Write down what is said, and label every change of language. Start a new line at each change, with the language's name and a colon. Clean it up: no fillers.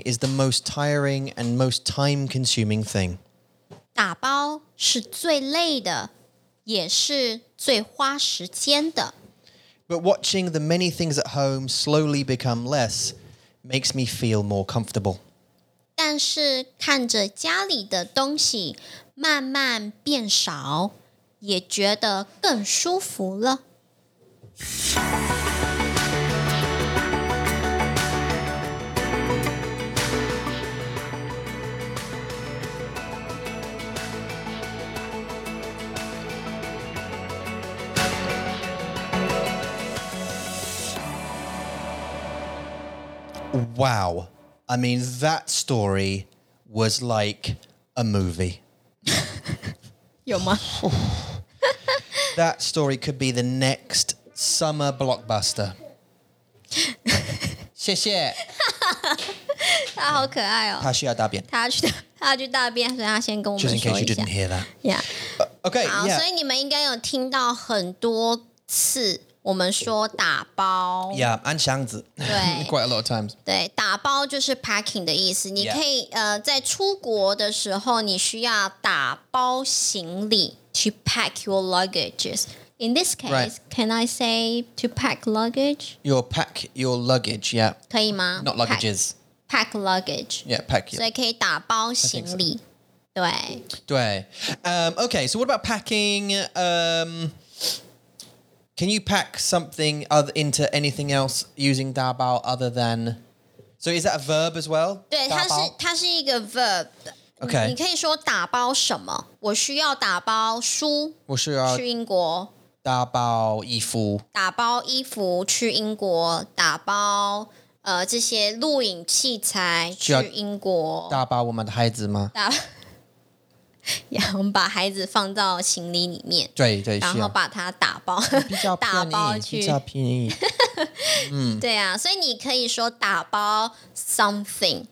English: is the most tiring and most time-consuming thing.
Chinese: 打包是最累的，也是最花时间的。
English: But watching the many things at home slowly become less makes me feel more comfortable.
Chinese: 但是看着家里的东西慢慢变少，也觉得更舒服了。
English: Wow. I mean, that story was like a movie. your mum. That story could be the next summer blockbuster.
Chinese: 谢谢。他好可爱哦。他需要大便。他去大便，所以他先跟我们说一下。
English: Just in case you didn't hear that. Yeah. Okay.
Chinese: 好，所以你们应该有听到很多次我们说打包。Yeah，安箱子。对。
English: Quite a lot of times.
Chinese: 对，打包就是 packing 的意思。你可以在出国的时候，你需要打包行李去
English: pack your luggages. In this case, right. Can I say to pack luggage? You'll pack your luggage, yeah.
Chinese: 可以吗?
English: Not luggages. Pack luggage. Yeah, pack your...
Chinese: 所以可以打包行李,
English: so.
Chinese: 对。对。
English: Okay, so what about packing? Can you pack something into anything else using 打包 other than... So is that a verb as well?
Chinese: 对,它是一个verb.
English: Okay.
Chinese: 你可以说打包什么?我需要打包书去英国。打包衣服去英国，打包这些录影器材去英国，打包我们的孩子吗？打，我们把孩子放到行李里面，对，然后把它打包，比较便宜，比较便宜，嗯，对啊，所以你可以说打包
English: something，